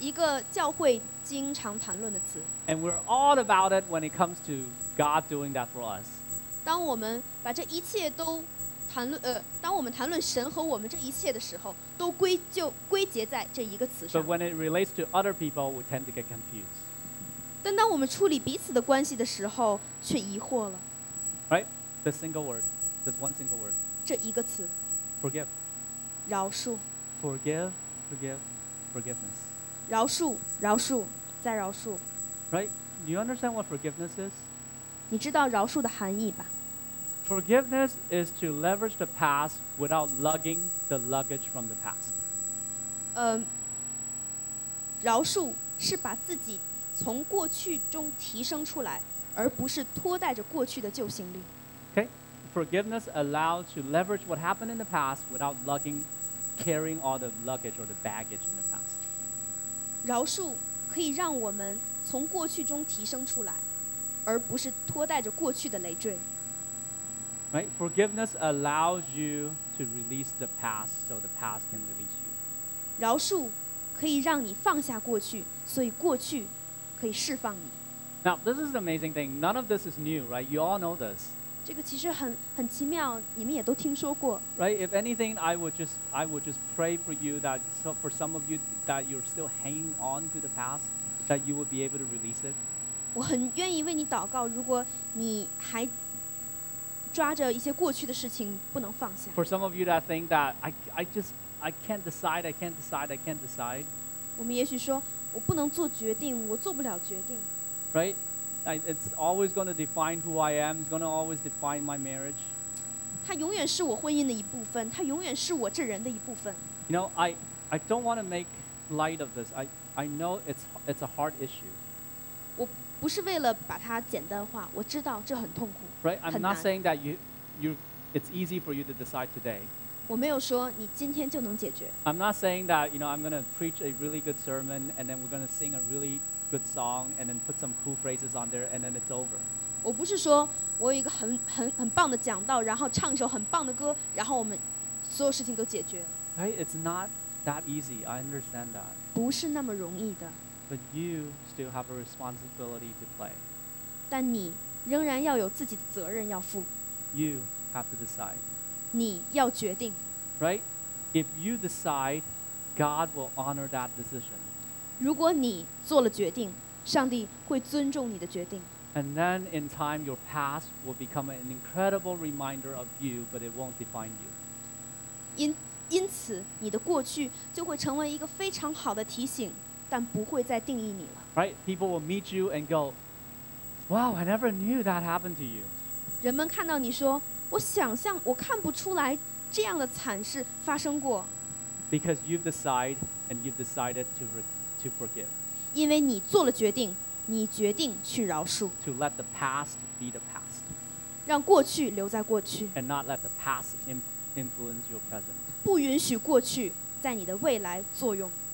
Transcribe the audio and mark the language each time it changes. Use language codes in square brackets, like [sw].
[zh] 一个教会经常谈论的词。 [en] And we're all about it when it comes to God doing that for us. [zh] 当我们把这一切都谈论当我们谈论神和我们这一切的时候，都归就归结在这一个词上。 [en] But when it relates to other people, we tend to get confused. [zh] 但当我们处理彼此的关系的时候，却疑惑了。 [en] Right, the single word, just one single word. [zh] 这一个词。 [en] Forgive. [zh] 饶恕。 [en] Forgive, forgive, forgiveness. [zh] 饶恕，饶恕，再饶恕。 [en] Right, you understand what forgiveness is? [zh] 你知道饶恕的含义吧？ [en] Forgiveness is to leverage the past without lugging the luggage from the past. [zh] 饶恕是把自己从过去中提升出来，而不是拖带着过去的旧行李。 [en] Okay, forgiveness allows to leverage what happened in the past without lugging, carrying all the luggage or the baggage in the past. [zh] 饶恕可以让我们从过去中提升出来，而不是拖带着过去的累赘。 [en] Right, forgiveness allows you to release the past, so the past can release you. [zh] 饶恕可以让你放下过去，所以过去可以释放你。 [en] Now, this is an amazing thing. None of this is new, right? You all know this. [zh] 这个其实很奇妙，你们也都听说过。 [en] Right, if anything, I would just pray for you that so for some of you that you're still hanging on to the past, that you would be able to release it. [zh] 我很愿意为你祷告，如果你还抓着一些过去的事情不能放下。 [en] For some of you that think that I can't decide. [zh] 我们也许说，我不能做决定，我做不了决定。 [en] Right, it's always going to define who I am. It's going to always define my marriage. [zh] 它永远是我婚姻的一部分，它永远是我这人的一部分。 [en] You know, I don't want to make light of this. I know it's a hard issue. [zh] 我不是为了把它简单化，我知道这很痛苦。 [en] Right, I'm not saying that you it's easy for you to decide today. [zh] 我没有说你今天就能解决。 [en] I'm not saying that, you know, I'm going to preach a really good sermon and then we're going to sing a really good song and then put some cool phrases on there and then it's over. [zh] 我不是说我有一个很棒的讲道，然后唱一首很棒的歌，然后我们所有事情都解决了。 [en] Right, it's not that easy. I understand that. [zh] 不是那么容易的。 [en] But you still have a responsibility to play. [zh] 但你仍然要有自己的责任要负。 [en] You have to decide. [zh] 你要决定。 [en] Right? If you decide, God will honor that decision. [zh] 如果你做了决定，上帝会尊重你的决定。 [en] And then in time, your past will become an incredible reminder of you, but it won't define you. [zh] 因此，你的过去就会成为一个非常好的提醒。但不会再定义你了。 [en] Right, people will meet you and go, "Wow, I never knew that happened to you." [zh] 人们看到你说，我想象我看不出来这样的惨事发生过。 [en] Because you've decided and you've decided to forgive. [zh] 因为你做了决定，你决定去饶恕。 [en] To let the past be the past. [zh] 让过去留在过去。 [en] And not let the past influence your present. [zh] 不允许过去在你的未来作用。